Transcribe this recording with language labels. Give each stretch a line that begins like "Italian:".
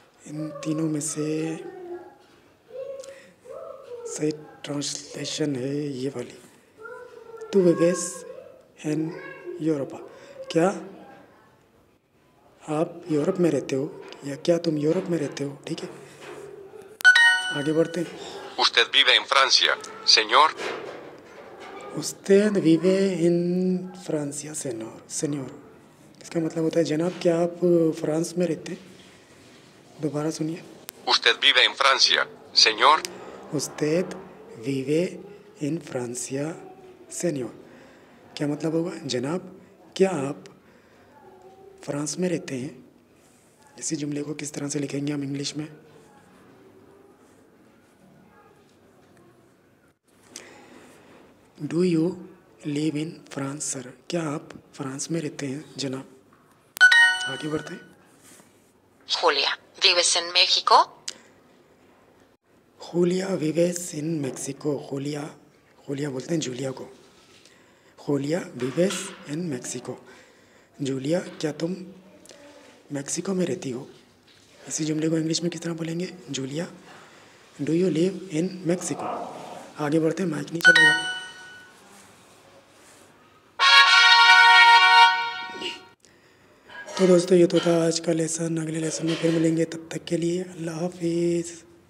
Hindi: इन तीनों में से सही ट्रांसलेशन है ये वाली,
Spanish: टू विवेस इन यूरोपा,
Hindi: क्या आप यूरोप में रहते हो, या क्या तुम यूरोप में रहते हो? ठीक है, आगे बढ़ते हैं।
Spanish: Usted vive en Francia, señor. Usted vive en Francia, señor. Señor.
Hindi: इसका मतलब होता है जनाब, क्या आप फ्रांस में रहते हैं? दोबारा सुनिए।
Spanish: Usted vive en Francia, señor. Usted vive en Francia, señor.
Hindi: क्या मतलब होगा? जनाब, क्या आप फ्रांस में रहते हैं? इसी जुमले को किस तरह से लिखेंगे हम इंग्लिश में?
English: Do you live in France, sir?
Hindi: क्या आप फ्रांस में रहते हैं जनाब? आगे बढ़ते हैं।
Spanish: Julia, vives en México? Julia vives in Mexico.
Hindi: Julia, Julia बोलते हैं जूलिया को।
Spanish: Julia vives in Mexico.
Hindi: Julia, क्या तुम मैक्सिको में रहती हो? इसी जुमले को इंग्लिश में किस तरह बोलेंगे?
English: Julia, do you live in Mexico?
Hindi: आगे बढ़ते हैं, माइक नहीं चलेगा। तो दोस्तों, ये तो था आज का लेसन। अगले लेसन में फिर मिलेंगे, तब तक के लिए अल्लाह हाफिज़।